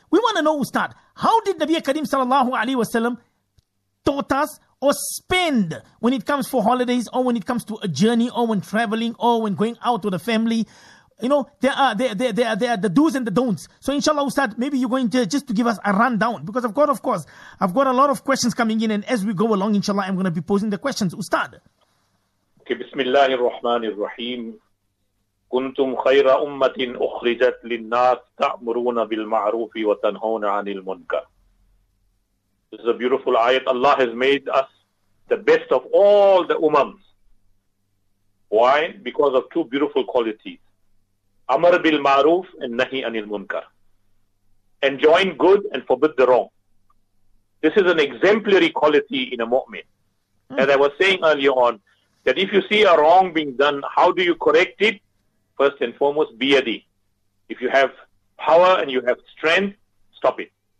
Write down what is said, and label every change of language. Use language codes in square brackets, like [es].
[en] We want to know, Ustaz, how did Nabi Karim sallallahu alaihi wasallam taught us or spend when it comes for holidays or when it comes to a journey or when traveling or when going out with a family? You know, there are the do's and the don'ts. So inshallah, Ustad, maybe you're going to just to give us a rundown, because I've got a lot of questions coming in, and as we go along, inshallah, I'm going to be posing the questions, Ustad. Okay, bismillahir rahmanir rahim. [ar] كنتم خير أمة أخرجت للناس تأمرون بالمعروف وتنهون عن المنكر. [en] This is a beautiful ayat. Allah has made us the best of all the ummahs. Why? Because of two beautiful qualities. [ar] أمر بالمعروف and نهي عن المنكر. [en] Enjoin good and forbid the wrong. This is an exemplary quality in a mu'min. As I was saying earlier on, that if you see a wrong being done, how do you correct it? First and foremost, biyadi. If you have power and you have strength, stop it.